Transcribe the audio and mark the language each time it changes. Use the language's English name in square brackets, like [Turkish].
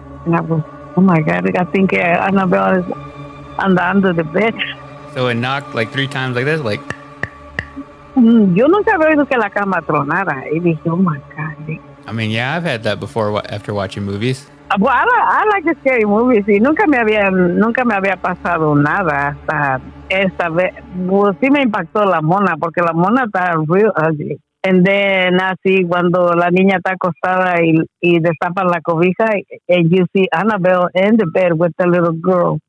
[English] And I was, oh my God, I think Annabelle is under the bed. So it knocked like 3 times like this, like. [Spanish] Yo nunca había visto que la cama tronara. Y dije, [English] oh my God. I mean, yeah, I've had that before after watching movies. Well, I like the scary movies. [Spanish] Y nunca me había pasado nada hasta esta vez. Pues sí me impactó la mona, porque la mona está [English] real ugly. And then, [Spanish] así, cuando la niña está acostada y destapa la cobija, [English] and you see Annabelle in the bed with the little girl.